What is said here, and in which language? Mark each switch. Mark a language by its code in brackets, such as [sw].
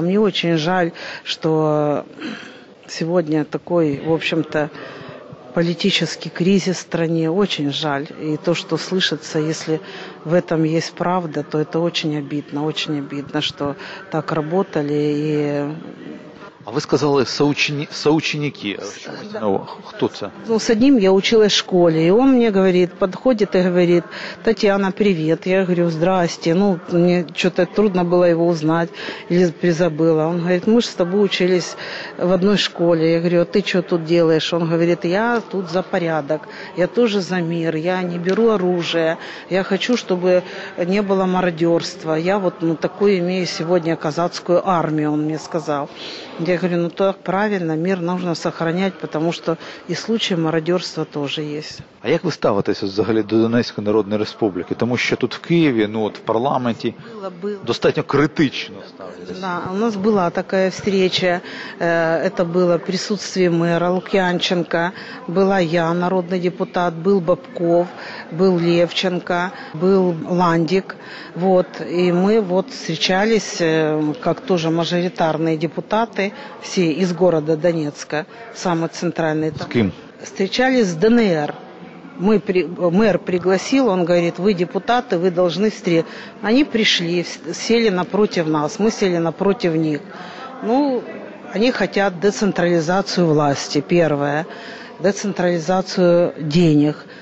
[ru] Мне очень жаль, что сегодня такой, в общем-то, политический кризис в стране, очень жаль. И то, что слышится, если в этом есть правда, то это очень обидно, что так работали. И... [uk] А ви сказали соученики. Да. Хто це? Ну, з одним я училась в школі, і він мені говорить, підходить і говорить: «Тетяна, привіт». Я говорю: «Здрасте». Ну, мені щось трудно було його узнати, или призабила. Він говорить: «Ми ж з тобою учились в одній школі». Я говорю: «А ти що тут робиш?» Він говорить: «Я тут за порядок, я теж за мир, я не беру оружие, я хочу, щоб не було мародерства. Я от ну, таку маю сьогодні казацьку армію», він мені сказав. [ru] Я говорю: «Ну так правильно, мир нужно сохранять, потому что и случаи мародерства тоже есть». [uk] А як ви ставитеся взагалі до Донецької Народної Республіки? Тому що тут в Києві, ну от в парламенті достатньо критично ставитися. Да, у нас була така зустріча, це було присутствие мера Лук'янченка, була я, народний депутат, був Бабков, був Левченко, був Ландік. Вот. І ми вот зустрічалися, як теж мажоритарні депутати, всі із міста Донецька, саме центральний. З ким? Зустрічалися з ДНР. [ru] Мэр пригласил, он говорит: «Вы депутаты, вы должны встретиться». Они пришли, сели напротив нас, мы сели напротив них. Ну, они хотят децентрализацию власти, первое, децентрализацию денег.